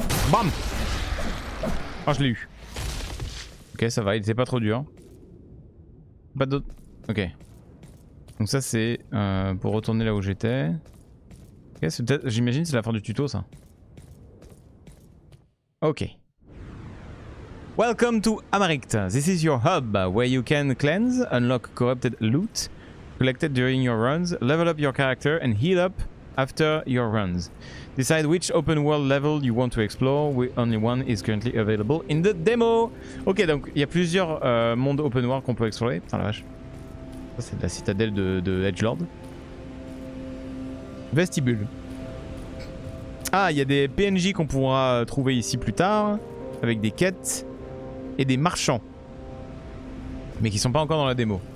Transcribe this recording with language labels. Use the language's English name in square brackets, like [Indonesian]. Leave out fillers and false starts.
[French] Bam! Ah je l'ai eu. Ok ça va, il était pas trop dur. Pas d'autre. Ok. Donc ça c'est pour retourner là où j'étais. Ok, c'est peut-être, j'imagine que c'est la fin du tuto ça. Ok. [English] Welcome to Amarikt. This is your hub where you can cleanse, unlock corrupted loot collected during your runs, level up your character and heal up after your runs. Decide which open world level you want to explore. Only one is currently available in the demo. [French] Ok, donc il y a plusieurs mondes open world qu'on peut explorer. Putain la vache. Ça, c'est de la citadelle de Edgelord. Vestibule. Ah, il y a des PNJ qu'on pourra trouver ici plus tard, avec des quêtes et des marchands. Mais qui sont pas encore dans la démo.